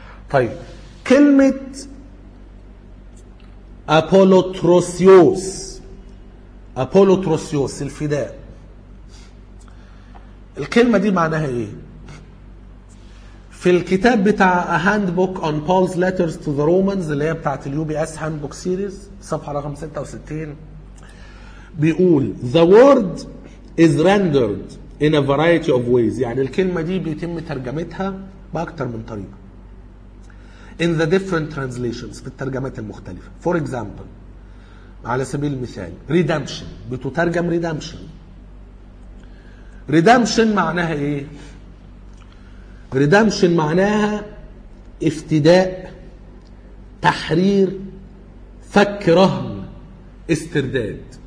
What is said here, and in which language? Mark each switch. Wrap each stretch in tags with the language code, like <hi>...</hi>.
<ar>طيب، كلمة أبولوتروسيوس، أبولوتروسيوس الفداء، الكلمة دي معناها إيه؟ في الكتاب بتاع هاند بوك اون بولز ليترز تو ذا رومانز اللي هي بتاعت اليو بي اس هاند بوك سيريز، صفحة رقم 66، بيقول</ar> <en>The word is rendered in a variety of ways،</en> <ar>يعني الكلمة دي بيتم ترجمتها بأكتر من طريقة.</ar> <en>In the different translations،</en> <ar>في الترجمات المختلفة.</ar> <en>For example،</en> <ar>على سبيل المثال redemption، بتترجم redemption. redemption معناها ايه؟ redemption معناها افتداء، تحرير، فك رهن، استرداد.</ar>